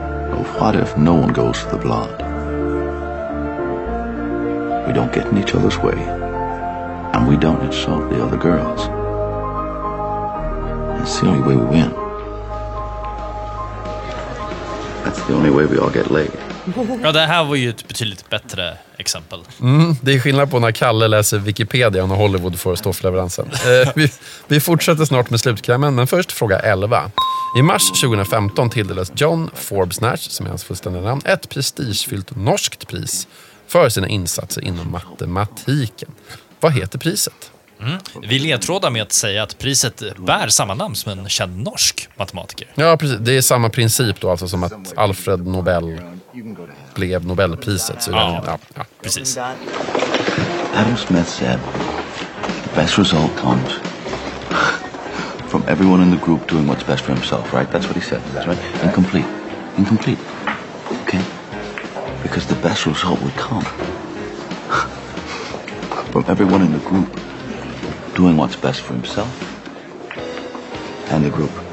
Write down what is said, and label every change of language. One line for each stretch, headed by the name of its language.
English: But what if no one goes for the blonde? We don't get in each other's way. And we don't insult the other girls. That's the only way we win. That's the only way we all get laid.
Swedish: Ja, det här var ju ett betydligt bättre exempel. Mm, det är skillnad på när Kalle läser Wikipedia och när Hollywood får stoffleveransen. Vi fortsätter snart med slutkrämmen, men först fråga 11. I mars 2015 tilldelades John Forbes Nash, som är hans fullständiga namn, ett prestigefyllt norskt pris för sina insatser inom matematiken. Vad heter priset? Mm. Vi ledtrådar med att säga att priset bär samma namn som en känd norsk matematiker. Ja, precis. Det är samma princip då, alltså som att Alfred Nobel blev Nobelpriset. Så ja, precis.
English: Adam Smith said the best result comes from everyone in the group doing what's best for himself, right? That's what he said, right? Incomplete. Incomplete. Okay? Because the best result would come from everyone in the group doing what's best for himself and the group.